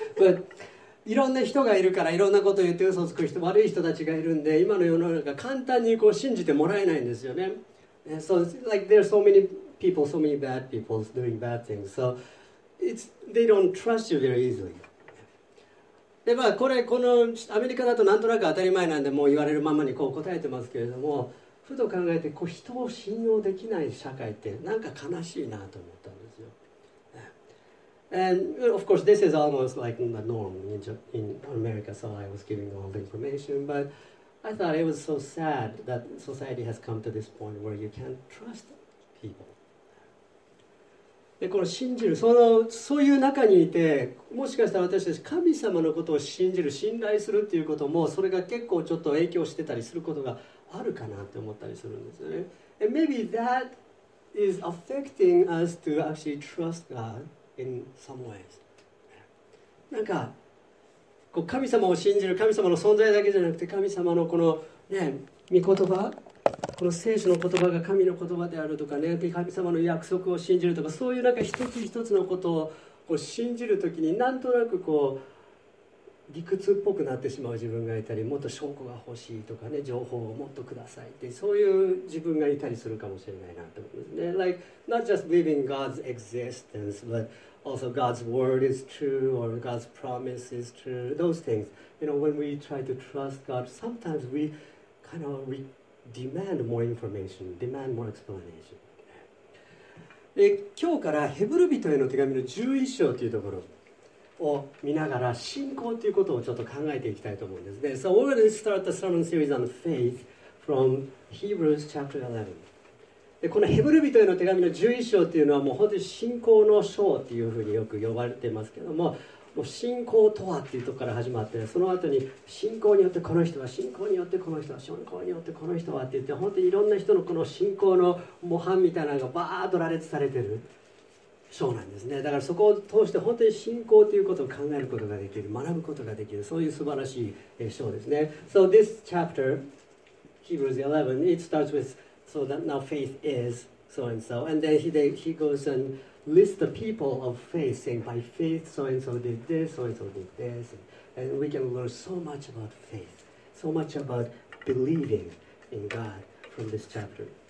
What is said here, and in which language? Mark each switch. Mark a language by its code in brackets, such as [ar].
[en] But, [ja] いろんな人がいるから、いろんなことを言って嘘つく人、悪い人たちがいるんで、今の世の中簡単にこう信じてもらえないんですよね。 [en] So it's like there are so many people, so many bad people doing bad things. So it's they don't trust you very easily. [ja] でまあこれこのアメリカだとなんとなく当たり前なんで、もう言われるままにこう答えてますけれども、ふと考えてこう人を信用できない社会ってなんか悲しいなと思ったんですよ。 [en] And of course this is almost like the norm in America. So I was giving all the information, but. I thought it was so sad that society has come to this point where you can't trust people. [ja] で、この信じる、そういう中にいて、もしかしたら私たち神様のことを信じる、信頼するっていうことも、それが結構ちょっと影響してたりすることがあるかなって思ったりするんですよね。 [en] And maybe that is affecting us to actually trust God in some ways. [ja] なんか、こう神様を信じる、神様の存在だけじゃなくて、神様のこのね、御言葉、この聖書の言葉が神の言葉であるとかね、神様の約束を信じるとか、そういうなんか一つ一つのことをこう信じるときに、なんとなくこう理屈っぽくなってしまう自分がいたり、もっと証拠が欲しいとかね、情報をもっとくださいって、そういう自分がいたりするかもしれないなと思うんですね。 [en] Like, not just believing God's existence, butAlso, God's word is true, or God's promise is true. Those things, you know, when we try to trust God, sometimes we kind of we demand more information, demand more explanation. [ja] 今日からヘブル人への手紙の11章というところを見ながら、信仰ということをちょっと考えていきたいと思うんですね。 [en] So we're going to start the sermon series on faith from Hebrews chapter 11. [ja] でこのヘブル人への手紙の11章というのは、もう本当に信仰の章というふうによく呼ばれていますけれども、もう信仰とはというところから始まって、その後に信仰によってこの人は、信仰によってこの人は、信仰によってこの人はといって、本当にいろんな人のこの信仰の模範みたいなのがバーッと羅列されている章なんですね。だからそこを通して本当に信仰ということを考えることができる、学ぶことができる、そういう素晴らしい章ですね。 [en] So this chapter Hebrews 11 it starts withSo that now faith is so and so, and then he goes and lists the people of faith, saying by faith so and so did this, so and so did this, and we can learn so much about faith, so much about believing in God from this chapter.